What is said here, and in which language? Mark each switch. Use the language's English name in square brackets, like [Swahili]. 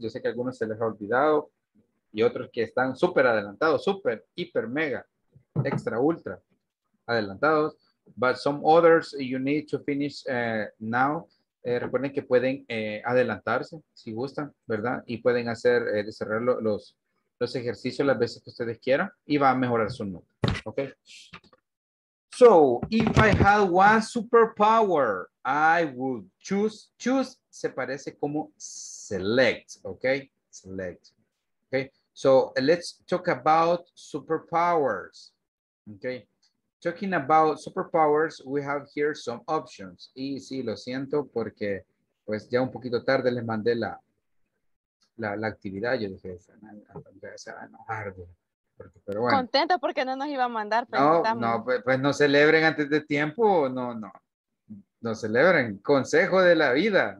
[Spanish] Yo sé que algunos se les ha olvidado y otros que están súper adelantados, súper, hiper, mega, extra, ultra adelantados. [English] But some others you need to finish now. [Spanish] Recuerden que pueden adelantarse si gustan, ¿verdad? Y pueden hacer, desarrollar los ejercicios las veces que ustedes quieran y va a mejorar su nota, ¿ok? [English] So if I had one superpower, I would choose. [Spanish] Choose se parece como select, okay? [English] Select, okay? So let's talk about superpowers, okay? Talking about superpowers, we have here some options. [Spanish] Y sí, lo siento porque pues ya un poquito tarde les mandé la actividad. Yo dije, se va a enojar. Pero bueno. Contenta porque no nos iba a mandar. Pero no, pues no celebren antes de tiempo. No celebren. Consejo de la vida.